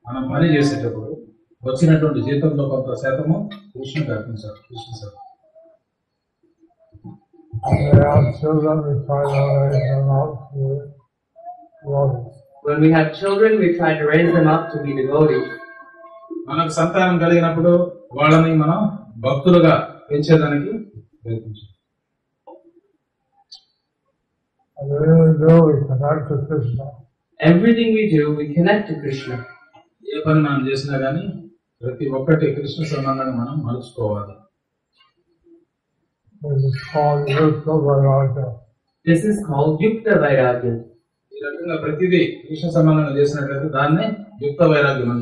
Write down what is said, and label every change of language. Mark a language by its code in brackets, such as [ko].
[en] When we have children, we try to raise them up to be devotees. [te] మనకు సంతానం కలిగినప్పుడు వాళ్ళని మనం భక్తులుగా పెంచేదానికి ప్రయత్నించాలి. [en] And everything we do, we connect to Krishna. Everything we do, we connect to Krishna. [te] ఏపని మనం చేసినా గానీ ప్రతి ఒక్కటి కృష్ణ సంబంధాన్ని మనం మలుచుకోవాలి. [en] This is called Yukta Vairagya. This is called Yukta Vairagya. [te] ఈ రకంగా ప్రతిదీ కృష్ణ సంబంధాన్ని చేసినట్లయితే దాన్ని యుక్త వైరాగ్యం అని